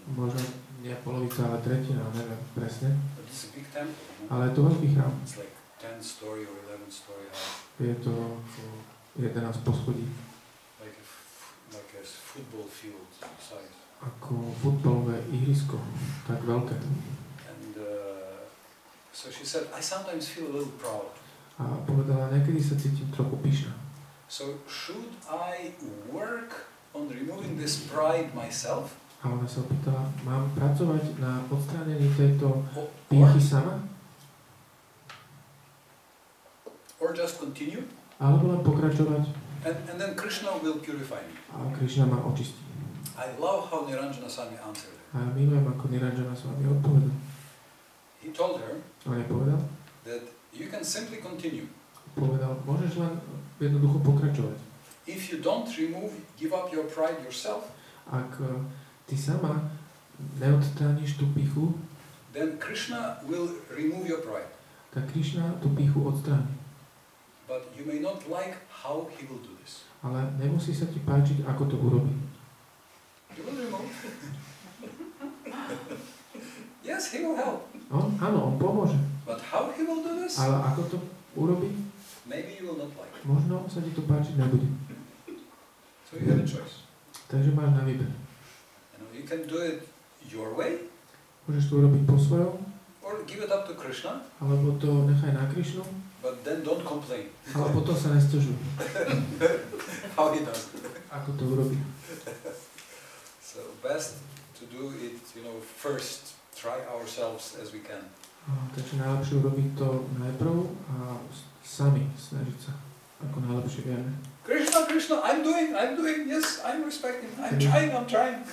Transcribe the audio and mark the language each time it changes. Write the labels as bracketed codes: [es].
[sk] Možno nie polovica, ale tretina, neviem presne. [en] But it's a big temple, no? [sk] Ale je to veľký chrám. [en] It's like 10 story or 11 story high. [sk] Je to 11 poschodí. [en] Like a football field size. [sk] Ako futbalové ihrisko, tak veľké. [en] And so she said, I sometimes feel a little proud. [sk] A povedala, niekedy sa cítim trochu pyšná. [en] So should I work on removing this pride myself? [sk] A ona sa opýtala, mám pracovať na odstránení tejto pýchy sama? [en] Or just continue? [sk] Alebo len pokračovať? [en] And then Krishna will purify me. [sk] A Krishna ma očistí. [en] I love how Niranjana Swami answered. [sk] A ja milujem, ako Niranjana Swami odpovedal. [en] He told her. [sk] On jej povedal. [en] That you can simply continue. [sk] Povedal, môžeš len jednoducho pokračovať. [en] If you don't remove, give up your pride yourself. [sk] Ak ty sama neodstrániš tú pichu, [en] then Krishna will remove your pride. [sk] Tak Krishna tú pichu odstráni. [en] But you may not like how he will do this. [sk] Ale nemusí sa ti páčiť, ako to urobí. [en] You will remove. Yes, he will help. [sk] On, áno, on pomôže. [en] But how he will do this? [sk] Ale ako to urobí? [en] Maybe you will not like. [sk] Možno sa ti to páčiť nebude. [en] So you have a choice. [sk] Takže máš na výber. [en] You can do it your way. [sk] Môžeš to urobiť po svojom. [en] Or give it up to Krishna. [sk] Alebo to nechaj na Krishnu. [en] But then don't complain. [sk] Ale potom sa nestiažuj. [en] How he does. [sk] Ako to urobí. [en] So best to do it, you know, first. Try ourselves as we can. [sk] Takže najlepšie urobiť to najprv a sami snažiť sa. Ako najlepšie vieme. [en] Krishna, Krishna, I'm doing, yes, I'm respecting, I'm trying.